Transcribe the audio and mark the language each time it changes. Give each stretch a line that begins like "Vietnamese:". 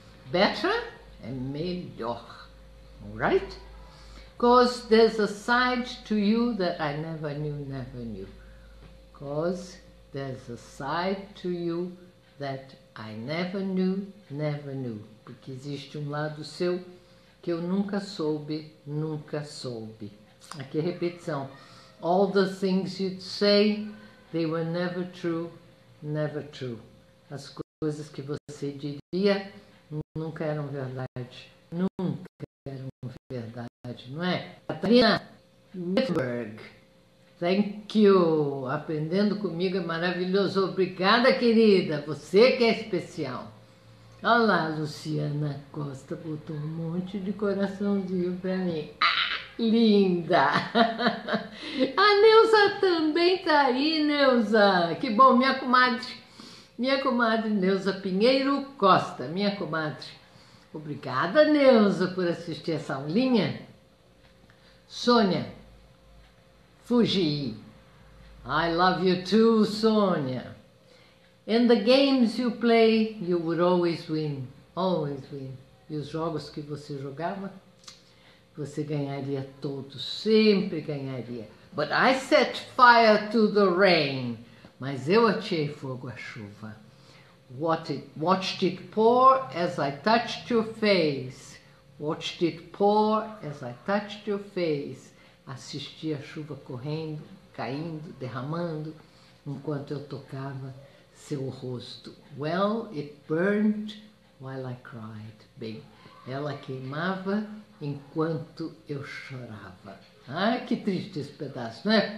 Portuguese: Better é melhor, alright?
English: 'Cause there's a side to you that I never knew, never knew. 'Cause there's a side to you that I never knew, never knew.
Portuguese: Porque existe um lado seu que eu nunca soube, nunca soube. Aqui é repetição.
English: All the things you'd say, they were never true, never true.
Portuguese: As coisas que você diria nunca eram verdade. Nunca eram verdade, não é? Catarina Mittenberg.
English: Thank you.
Portuguese: Aprendendo comigo é maravilhoso. Obrigada, querida. Você que é especial. Olá, Luciana Costa botou um monte de coraçãozinho pra mim. Linda! A Neuza também tá aí, Neuza. Que bom, minha comadre. Minha comadre Neuza Pinheiro Costa, minha comadre. Obrigada, Neuza, por assistir essa aulinha.
English: Sônia Fuji. I love you too, Sônia. In the games you play, you would always win. Always win.
Portuguese: E os jogos que você jogava, você ganharia todos. Sempre ganharia.
English: But I set fire to the rain.
Portuguese: Mas eu atirei fogo à chuva.
English: Watched it pour as I touched your face. Watched it pour as I touched your face.
Portuguese: Assisti a chuva correndo, caindo, derramando, enquanto eu tocava seu rosto.
English: Well, it burned while I cried.
Portuguese: Bem, ela queimava enquanto eu chorava. Ah, que triste esse pedaço, não é?